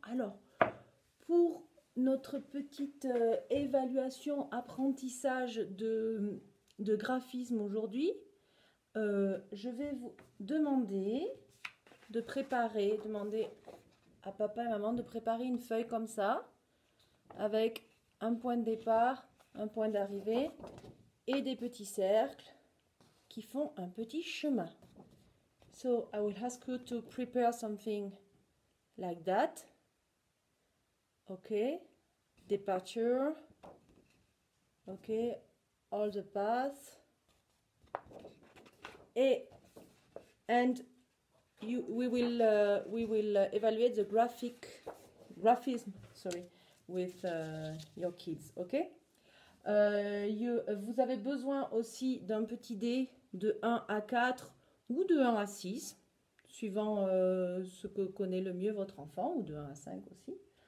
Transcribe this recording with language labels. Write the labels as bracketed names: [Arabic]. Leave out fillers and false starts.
[French] Alors, pour notre petite évaluation apprentissage de graphisme aujourd'hui, je vais vous demander de préparer, demander à papa et maman de préparer une feuille comme ça, avec un point de départ, un point d'arrivée et des petits cercles qui font un petit chemin. [English] So, I will ask you to prepare something. Like that. OK. Departure. OK. All the paths. Et and you we will evaluate the graphism, sorry, with your kids, OK? [French] Vous avez besoin aussi d'un petit dé de 1 à 4 ou de 1 à 6. Suivant ce que connaît le mieux votre enfant, ou de 1 à 5 aussi.